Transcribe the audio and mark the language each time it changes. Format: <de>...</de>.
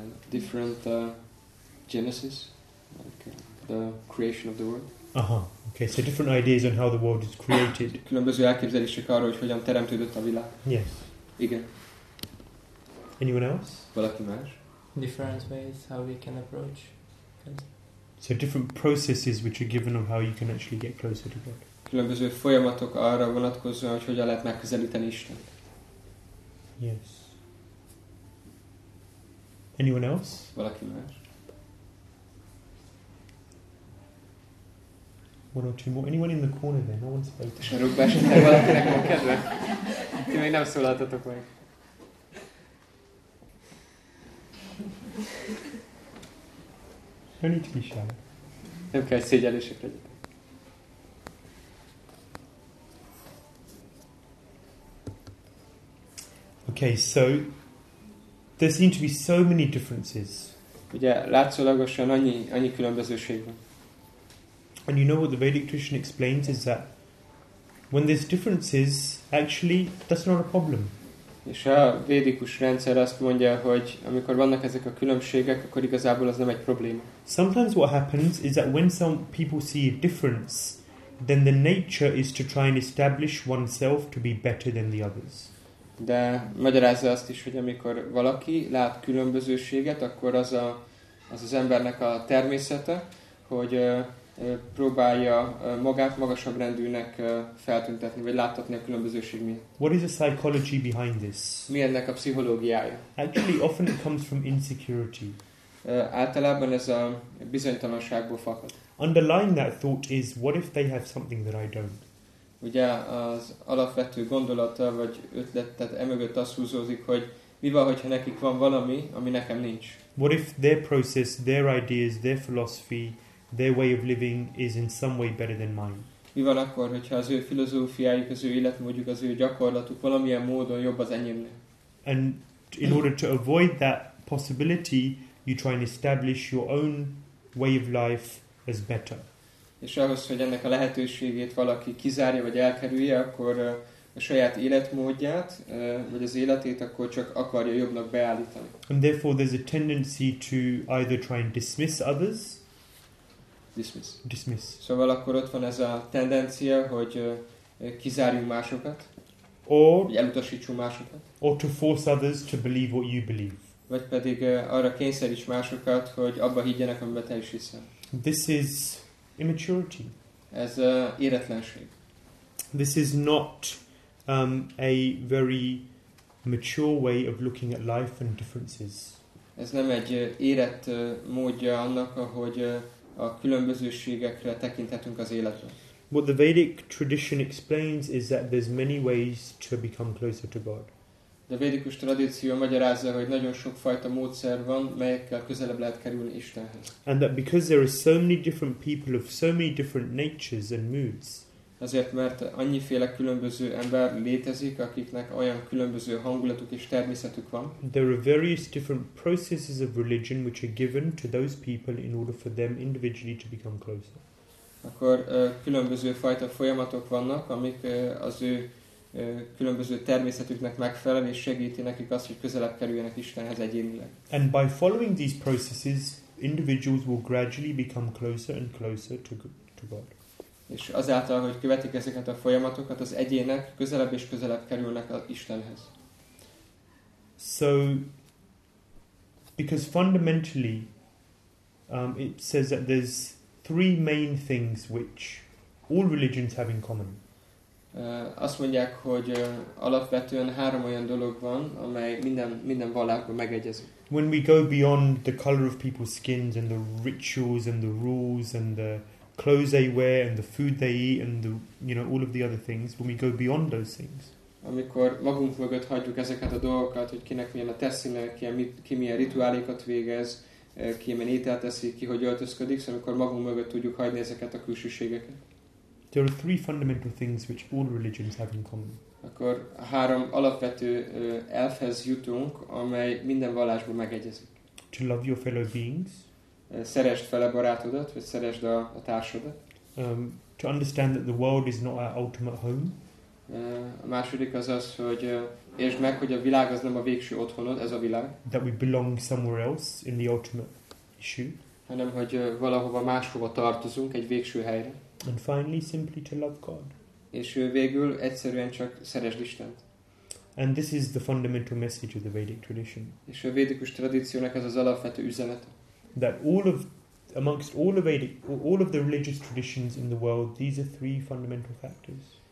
<en>Different genesis, like the creation of the world. Aha. Okay, so different ideas on how the world is created.</en> <hu>Különböző elképzelések arról, hogy hogyan teremtődött a világ.</hu> <en>Yes.</en> <hu>Igen.</hu> <en>Anyone else?</en> <hu>Valaki más?</hu> <en>Different ways how we can approach. So different processes which are given of how you can actually get closer to God.</en> <hu>Különböző folyamatok arra vonatkozóan, hogy hogyan lehet megközelíteni Istent.</hu> <en>Yes. Anyone else?</en> <hu>Valaki más?</hu> <en>one or two more. Anyone in the corner there? No one spoke.</en> <hu>És a rugba esetleg valakinek van kedve? Ti még nem szólaltatok meg.</hu> <en>No need to be shy.</en> <hu>Nem kell szégyellősök legyen.</hu> <en>Okay, so there seem to be so many differences.</en> <hu>Ugye látszólagosan annyi különbözőség van.</hu> <en>And you know what the Vedic tradition explains is that when there's differences, actually that's not a problem.</en> <hu>És a védikus rendszer azt mondja, hogy amikor vannak ezek a különbségek, akkor igazából az nem egy probléma.</hu> <en>Sometimes what happens is that when some people see a difference, then the nature is to try and establish oneself to be better than the others.</en> <hu>De magyarázza azt is, hogy amikor valaki lát különbözőséget, akkor az embernek a természete, hogy próbálja magát magasabb rendűnek feltüntetni, vagy láttatni a különbözőség miatt.</hu> <en>What is the psychology behind this?</en> <hu>Mi ennek a pszichológiája?</hu> <en>Actually, often it comes from insecurity.</en> <hu>Általában ez a bizonytalanságból fakad.</hu> <en>Underlying that thought is, what if they have something that I don't?</en> <hu>Ugye az alapvető gondolata, vagy ötlet, tehát emögött az húzódik, hogy mi van, hogyha nekik van valami, ami nekem nincs.</hu> <en>What if their process, their ideas, their philosophy, their way of living is in some way better than mine?</en> <hu>Mi van akkor, hogyha az ő filozófiájuk, az ő életmódjuk, az ő gyakorlatuk valamilyen módon jobb az enyémnél?</hu> <en>And in order to avoid that possibility, you try and establish your own way of life as better.</en> <hu>És ahhoz, hogy ennek a lehetőségét valaki kizárja vagy elkerülje, akkor a saját életmódját vagy az életét akkor csak akarja jobbnak beállítani.</hu> <en>And therefore there's a tendency to either try and dismiss others. Dismiss.</en> <hu>Szóval akkor ott van ez a tendencia, hogy kizárjunk másokat. Vagy elutasítsunk másokat.</hu> <en>Or to force others to believe what you believe.</en> <hu>Vagy pedig arra kényszeríts másokat, hogy abba higgyenek, amiben te is hiszel.</hu> <en>This is immaturity.</en> <hu>Ez éretlenség.</hu> <en>This is not a very mature way of looking at life and differences.</en> <hu>Ez nem egy érett módja annak, ahogy a különbözőségekre tekinthetünk az életben.</hu> <en>What the Vedic tradition explains is that there's many ways to become closer to God.</en> <hu>A védikus tradíció magyarázza, hogy nagyon sok fajta módszer van, melyekkel közelebb lehet kerülni Istenhez.</hu> <en>And that because there are so many different people of so many different natures and moods.</en> <hu>Azért, mert annyiféle különböző ember létezik, akiknek olyan különböző hangulatuk és természetük van.</hu> <en>There are various different processes of religion which are given to those people in order for them individually to become closer.</en> <hu>Akkor különböző fajta folyamatok vannak, amik az ő különböző természetüknek megfelel és segíti nekik azt, hogy közelebb kerüljenek Istenhez egyénileg.</hu> <en>And by following these processes, individuals will gradually become closer and closer to God.</en> <hu>És azáltal, hogy követik ezeket a folyamatokat, az egyének közelebb és közelebb kerülnek az Istenhez.</hu> <en>So, because fundamentally, it says that there's three main things which all religions have in common.</en> <hu>Azt mondják, hogy alapvetően három olyan dolog van, amely minden vallásban megegyezik.</hu> <en>When we go beyond the color of people's skins and the rituals and the rules and the clothes they wear and the food they eat and the, you know, all of the other things, when we go beyond those things.</en> <hu>Amikor magunk mögött hagyjuk ezeket a dolgokat, hogy kinek milyen a teszine, ki milyen rituálikat végez, ki milyen ételt teszi, ki hogy öltözködik, szóval amikor magunk mögött tudjuk hagyni ezeket a külsőségeket.</hu> <en>There are three fundamental things which all religions have in common.</en> <hu>Akkor három alapvető elfhez jutunk, amely minden vallásból megegyezik.</hu> <en>To love your fellow beings.</en> <hu>Szeresd fel a barátodat, vagy szeresd a társadat.</hu> <en>To understand that the world is not our ultimate home.</en> <hu>A második az, hogy értsd meg, hogy a világ az nem a végső otthonod, ez a világ.</hu> <en>That we belong somewhere else in the ultimate issue.</en> <hu>Hanem, hogy valahova máshova tartozunk, egy végső helyre.</hu> <en>And finally, simply to love God.</en> <hu>És végül egyszerűen csak szeresd Istent.</hu> <en>And this is the fundamental message of the Vedic tradition.</en> <hu>És a védikus tradíciónak ez az alapvető üzenet.</hu> <en>That amongst all of the religious traditions in the world, these are three fundamental factors.</en>